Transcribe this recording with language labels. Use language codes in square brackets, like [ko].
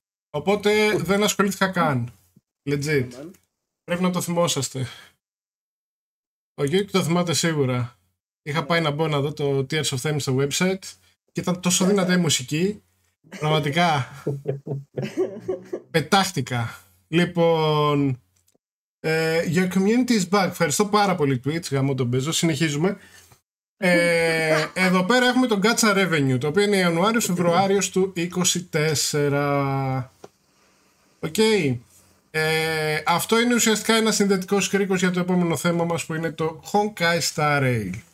[el] Οπότε δεν ασχολήθηκα καν. Legit. Πρέπει να το θυμόσαστε. Ο Γιούκ το θυμάται σίγουρα. Είχα πάει να μπω να δω το Tears of Themis στο website και ήταν τόσο δυνατή η μουσική. Πραγματικά. Πετάχτηκα. Λοιπόν, [en] your community is back. [el] Ευχαριστώ πάρα πολύ Twitch, γαμώ τον Μπέζο. Συνεχίζουμε. Εδώ πέρα έχουμε τον Gacha Revenue, το οποίο είναι Ιανουάριος-Φεβρουάριος του 24. Okay. Αυτό είναι ουσιαστικά ένα συνδετικό κρίκος για το επόμενο θέμα μας, που είναι το Honkai Star Rail.